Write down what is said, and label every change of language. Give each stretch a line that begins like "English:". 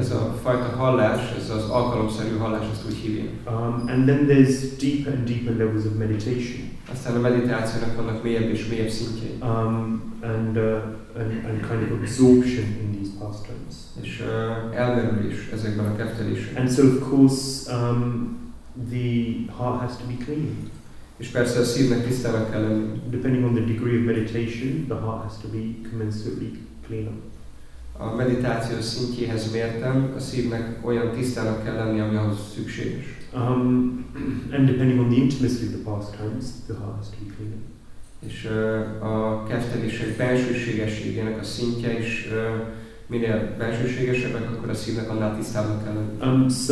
Hungarian: Ez a fajta hallás, ez az alkalomszerű hallás, ezt úgy hívják.
English: And then there's deeper and deeper levels of meditation.
Hungarian: Aztán a meditációnak vannak mélyebb és mélyebb szintjei.
English: And kind of absorption in these pastimes.
Hungarian: És elmerülés ezekben a kefteléseken.
English: And so of course the heart has to be clean.
Hungarian: És persze a szívnek tisztának kell lenni.
English: Depending on the degree of meditation, the heart has to be commensurately cleaner.
Hungarian: A meditáció szintjéhez mérten a szívnek olyan tisztának kell lenni, ami ahhoz szükséges.
English: And depending on the intimacy of the pastimes, the heart has to be cleaner.
Hungarian: És a keftelések bensőségességének a szintje is minél bensőségesebbek, akkor a szívnek annál tisztának kell lenni.